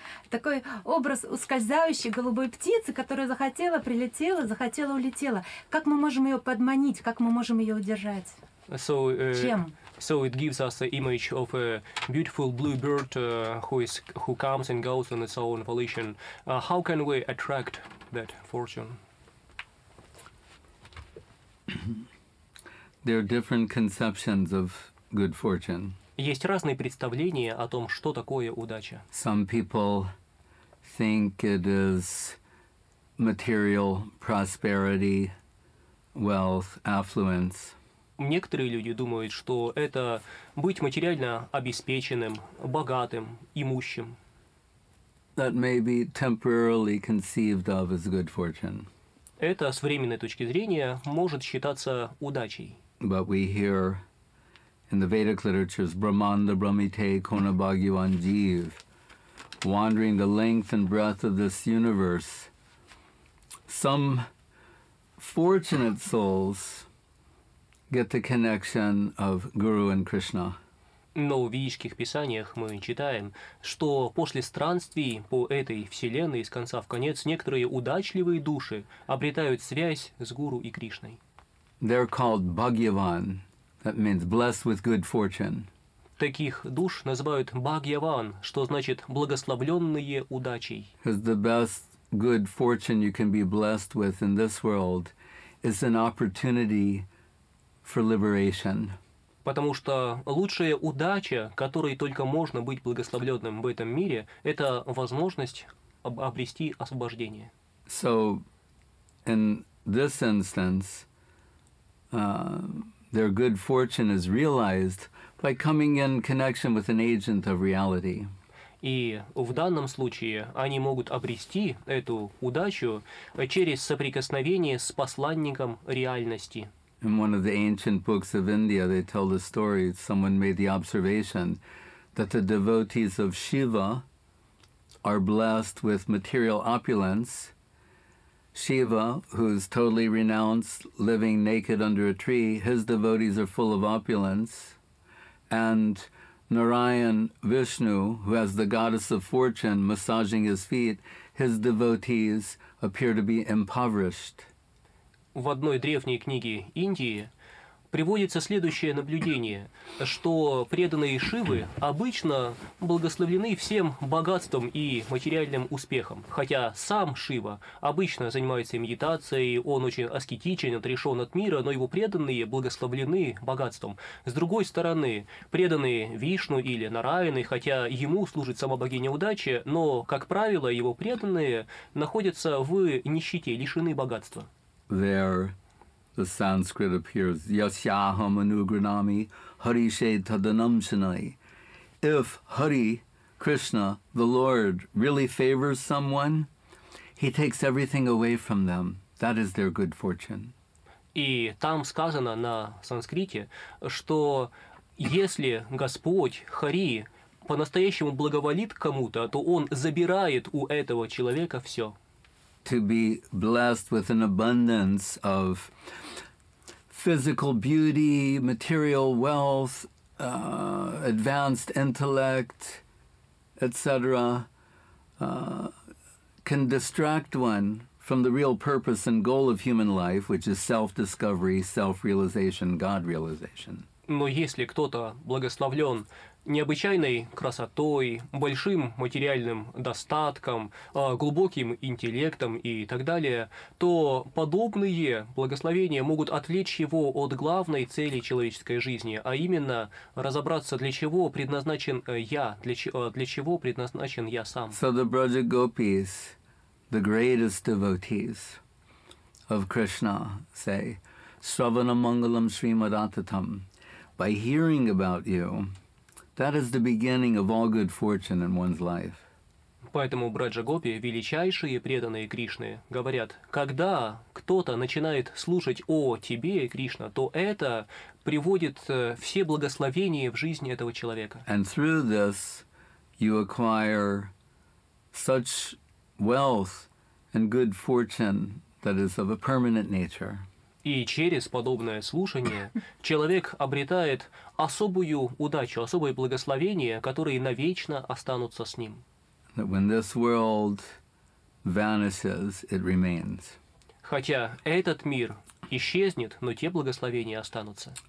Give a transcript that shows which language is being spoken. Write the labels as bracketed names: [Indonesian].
[Russian] Такой образ ускользающей голубой птицы, которая захотела, улетела. Как мы можем ее подманить, как мы можем ее удержать? Чем? [English] So it gives us the image of a beautiful blue bird who comes and goes on its own volition. How can we attract that fortune? There are different conceptions of good fortune. [Russian] Есть разные представления о том, что такое удача. [English] Some people think it is material prosperity, wealth, affluence. [Russian] Некоторые люди думают, что это быть материально обеспеченным, богатым, имущим. [English] That may be temporarily conceived of as good fortune. [Russian] Это с временной точки зрения может считаться удачей. [English] But we hear in the Vedic literatures [Sanskrit] Brahmanda Brahmite Kona Bhagyavan Jeev, [English] wandering the length and breadth of this universe, some fortunate souls get the connection of Guru and Krishna. [Russian] Но в ведических писаниях мы читаем, что после странствий по этой вселенной из конца в конец некоторые удачливые души обретают связь с Гуру и Кришной. [English] They're called Bhagyavan. That means blessed with good fortune. [Russian] Таких душ называют Бхагьяван, что значит благословленные удачей. [English] Because the best good fortune you can be blessed with in this world is an opportunity for liberation. [Russian] Потому что лучшая удача, которой только можно быть благословленным в этом мире, это возможность обрести освобождение. [English] So, in this instance, their good fortune is realized by coming in connection with an agent of reality. [Russian] И в данном случае они могут обрести эту удачу через соприкосновение с посланником реальности. [English] In one of the ancient books of India, they tell the story, someone made the observation that the devotees of Shiva are blessed with material opulence. Shiva, who's totally renounced, living naked under a tree, his devotees are full of opulence. And Narayan Vishnu, who has the goddess of fortune massaging his feet, his devotees appear to be impoverished. [Russian] В одной древней книге Индии приводится следующее наблюдение, что преданные Шивы обычно благословлены всем богатством и материальным успехом. Хотя сам Шива обычно занимается медитацией, он очень аскетичен, отрешен от мира, но его преданные благословлены богатством. С другой стороны, преданные Вишну или Нараяны, хотя ему служит сама богиня удачи, но, как правило, его преданные находятся в нищете, лишены богатства. [English] There, the Sanskrit appears, [Sanskrit] yasyaham anugranami harishe tadanamshanai. [English] If Hari, Krishna, the Lord, really favors someone, he takes everything away from them. That is their good fortune. [Russian] И там сказано на санскрите, что если Господь, Хари, по-настоящему благоволит кому-то, то он забирает у этого человека все. [English] To be blessed with an abundance of physical beauty, material wealth, advanced intellect, etc., can distract one from the real purpose and goal of human life, which is self-discovery, self-realization, God-realization. [Russian] Но если кто-то благословлен необычайной красотой, большим материальным достатком, глубоким интеллектом и так далее, то подобные благословения могут отвлечь его от главной цели человеческой жизни, а именно разобраться, для чего предназначен я, для чего предназначен я сам. [English] So the Braja Gopis, the greatest devotees of Krishna, say, [Sanskrit] Shravana Mangalam Srimadatatam, [English] by hearing about you, that is the beginning of all good fortune in one's life. [Russian] Поэтому Браджа Гопи, величайшие преданные Кришны, говорят, когда кто-то начинает слушать о тебе, Кришна, то это приводит все благословения в жизни этого человека. [English] And through this, you acquire such wealth and good fortune that is of a permanent nature. [Russian] И через подобное слушание человек обретает особую удачу, особое благословение, которые навечно останутся с ним. [English] When this world vanishes, it remains. [Russian] Хотя этот мир исчезнет, но те благословения останутся.